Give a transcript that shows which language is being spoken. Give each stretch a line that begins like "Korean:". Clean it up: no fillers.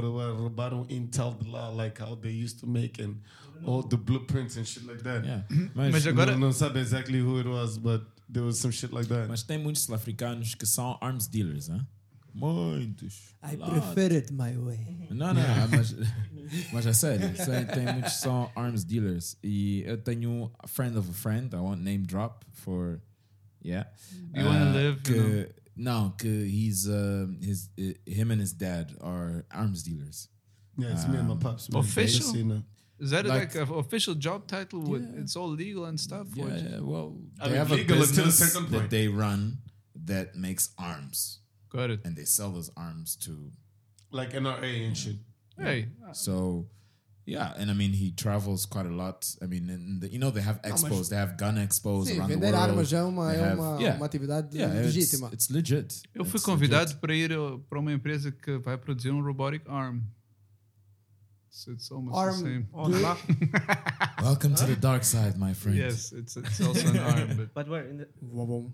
Portuguese: Roubaram intel de lá,
English: like how they used to make and all the blueprints and shit like that.
Portuguese: Yeah. Mas agora... Não sabe
English: exactly who it was, but... There was some shit like that.
Portuguese: Mas tem muitos sul-africanos que são arms dealers, né? muitos.
English: I prefer it my way.
Portuguese: Não, não, mas é sério. Tem muitos são arms dealers. E eu tenho
English: a friend of a friend, I won't name drop for. Yeah. You want to live? Que, you know? No, he's his him and his dad are arms dealers. Yeah, it's me and my pops. Official? Is that like an official job title? Yeah. With, it's all legal and stuff? Yeah, yeah, well, they have a business until a certain point that they run that makes arms. Got it. And they sell those arms to... Like NRA and shit. Yeah. Hey. So, yeah. And I mean, he travels quite a lot. I mean, and the, you know, they have expos. They have gun expos around the world.
Portuguese: Armas é uma, have, uma atividade legítima.
English: It's legit.
Portuguese: Eu fui convidado para ir para uma empresa que vai produzir robotic arm.
English: So it's almost arm the same. Welcome to the dark side, my friend. Yes, it's also an arm. But where? In the Wobom.